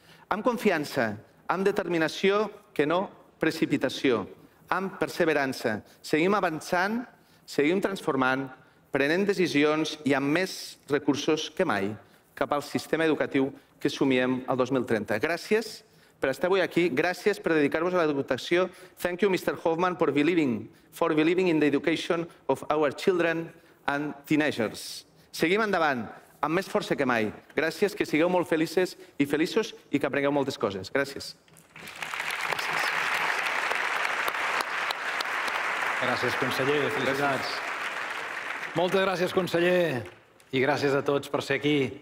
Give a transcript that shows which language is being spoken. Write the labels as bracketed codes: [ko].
[ca] Amb confiança, amb determinació, que no precipitació. Amb perseverança. Seguim avançant, seguim transformant, prenent decisions i amb més recursos que mai cap al sistema educatiu que somiem el 2030. Gràcies per estar avui aquí. Gràcies per dedicar-vos a l'educació. [en] Thank you, Mr. Hoffman, for believing in the education of our children and teenagers. [ca] Seguim endavant, amb més força que mai. Gràcies, que sigueu molt felices i feliços i que aprengueu moltes coses. Gràcies. Gràcies, conseller. Felicitats. Gràcies. Moltes gràcies, conseller. I gràcies a tots per ser aquí.